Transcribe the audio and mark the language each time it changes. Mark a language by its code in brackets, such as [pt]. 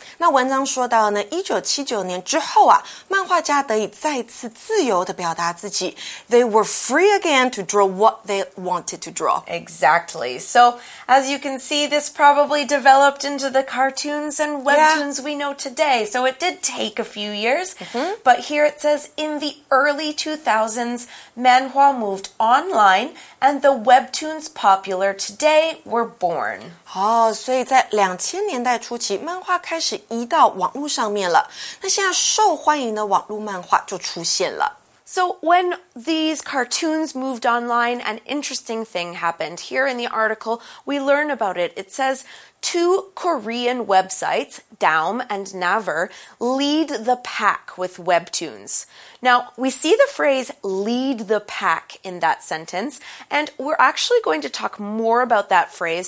[zh] 那文章说到呢1979年之后啊漫画家得以再次自由地表达自己。 [en] They were free again to draw what they wanted to draw. Exactly. So, as you can see, this probably developed into the cartoons and webtoons we know today. So it did take a few years. But here it says, in the early 2000s, manhwa moved online and the webtoons popular today were born. [zh] 好、oh, 所以在2000年代初期漫画开始移到网络上面了。那现在受欢迎的网络漫画就出现了。 [en] So when these cartoons moved online, an interesting thing happened. Here in the article, we learn about it. It says, two Korean websites, Daum and Naver, lead the pack with webtoons. Now, we see the phrase lead the pack in that sentence, and we're actually going to talk more about that phrase.